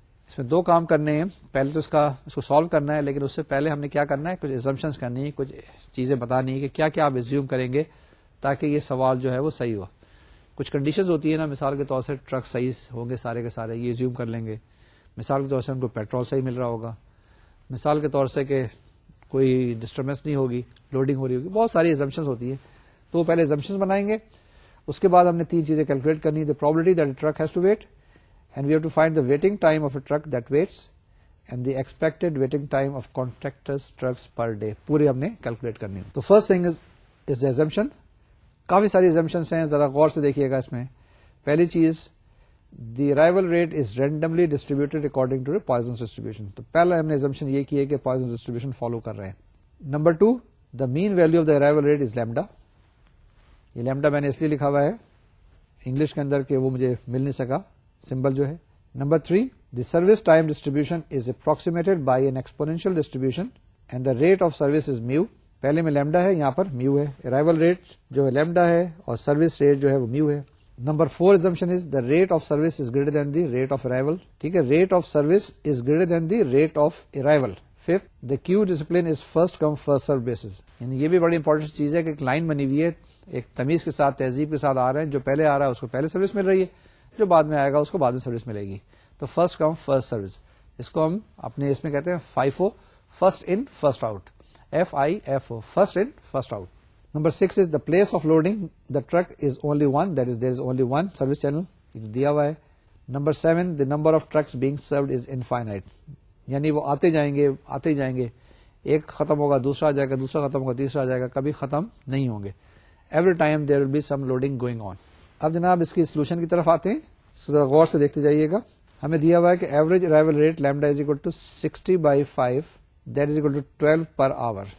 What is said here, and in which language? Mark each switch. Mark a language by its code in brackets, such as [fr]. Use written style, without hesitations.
[ur] اس میں دو کام کرنے ہیں, پہلے تو اس کو سالو کرنا ہے, لیکن اس سے پہلے ہم نے کیا کرنا ہے, کچھ اسمپشنز کرنی ہے, کچھ چیزیں بتانی ہے کہ کیا آپ ریزیوم کریں گے تاکہ یہ سوال جو ہے وہ صحیح ہو. کچھ کنڈیشنز ہوتی ہیں نا, مثال کے طور سے ٹرک صحیح ہوں گے سارے کے سارے, یہ ریزیوم کر لیں گے. مثال کے طور سے ان کو پیٹرول صحیح مل رہا ہوگا, مثال کے طور سے کہ کوئی ڈسٹربینس نہیں ہوگی, لوڈنگ ہو رہی ہوگی, بہت ساری اسمپشنز ہوتی ہیں. تو پہلے اسمپشنز بنائیں گے, اس کے بعد ہم نے تین چیزیں کیلکولیٹ کرنی ہے, [en] The probability that truck has to wait, and we have to find the waiting time of a truck that waits and the expected waiting time of contractor's trucks per day. [ur] پوری ہم نے calculate کرنی ہے. تو [en] First thing is the assumption. [ur] کافی ساری assumptions ہیں, ذرا غور سے دیکھیے گا اس میں. پہلی چیز, [en] The arrival rate is randomly distributed according to the Poisson's distribution. [ur] تو پہلا ہم نے ایزمپشن یہ کیا کہ پوائزنس ڈسٹریبیوشن فالو کر رہے ہیں. [en] Number two, the mean value of the arrival rate is lambda. [ur] یہ لیمڈا میں نے اس لیے لکھا ہوا ہے انگلش کے اندر کہ وہ مجھے مل نہیں سکا سمبل جو ہے. [en] Number 3, the service time distribution is approximated by an exponential distribution and the rate of service is mu. [ur] پہلے میں لیمڈا ہے, یہاں پر میو ہے. ارائیول ریٹ جو ہے لیمڈا ہے اور سروس ریٹ جو ہے وہ میو ہے. [en] Number 4, assumption is the rate of service is greater than the rate of arrival. [ur] ٹھیک ہے, [en] Rate of service is greater than the rate of arrival. 5th, the queue discipline is first come first serve basis. [ur] یعنی یہ بھی بڑی important چیز ہے کہ ایک لائن بنی ہوئی ہے, ایک تمیز کے ساتھ, تہذیب کے ساتھ آ رہے ہیں. جو پہلے آ رہا ہے اس کو پہلے سروس مل رہی ہے, جو بعد میں آئے گا اس کو بعد میں سروس ملے گی. [en] تو first come first service, [ur] اس کو ہم اپنے اس میں کہتے ہیں [en] Five, first in first out, F I F O, first in first out. Number 6 is the place of loading the truck is only one, that is there is only one service channel, [ur] دیا ہوا ہے. [en] Number 7, the number of trucks being served is infinite. [ur] یعنی وہ آتے جائیں گے آتے جائیں گے, ایک ختم ہوگا دوسرا آ جائے گا, دوسرا ختم ہوگا تیسرا آ جائے گا, کبھی ختم نہیں ہوں گے. [en] Every time there will be some loading going on. [ur] اب جناب اس کی سولوشن کی طرف آتے ہیں, اس کو غور سے دیکھتے جائیے گا. ہمیں دیا ہوا ہے کہ average arrival rate lambda is equal to 60/5, that is equal to 12 per our.